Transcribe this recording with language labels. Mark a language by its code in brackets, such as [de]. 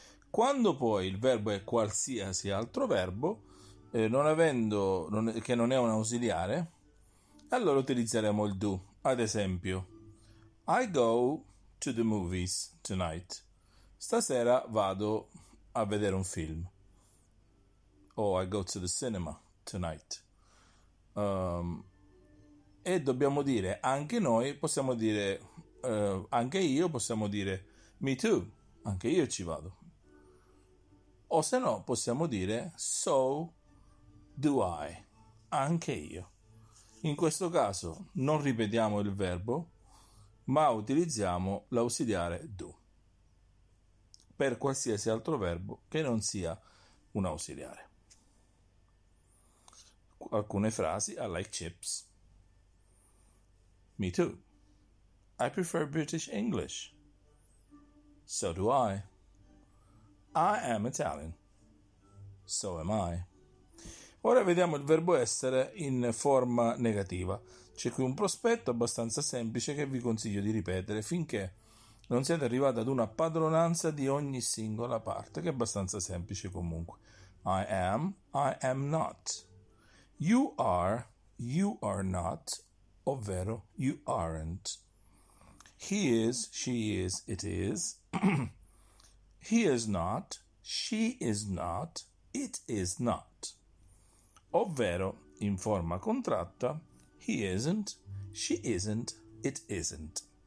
[it] Quando poi il verbo è qualsiasi altro verbo, che non è un ausiliare, allora utilizzeremo il do. Ad esempio, [en] I go to the movies tonight. [it] Stasera vado a vedere un film. [en] Oh, I go to the cinema tonight. [it] E dobbiamo dire anche noi, possiamo dire anche io, possiamo dire [en] me too, [it] anche io ci vado. O se no, possiamo dire [en] so do I, [it] anche io. In questo caso non ripetiamo il verbo, ma utilizziamo l'ausiliare do per qualsiasi altro verbo che non sia un ausiliare. Alcune frasi, [en] I like chips. Me too. I prefer British English. So do I. I am Italian. So am I. [it] Ora vediamo il verbo essere in forma negativa. C'è qui un prospetto abbastanza semplice che vi consiglio di ripetere finché non siete arrivati ad una padronanza di ogni singola parte, che è abbastanza semplice comunque. [en] I am not. You are not, [it] ovvero [en] you aren't. He is, she is, it is. He is not, she is not. It is not. [it] Ovvero, in forma contratta, [en] he isn't, she isn't, it isn't.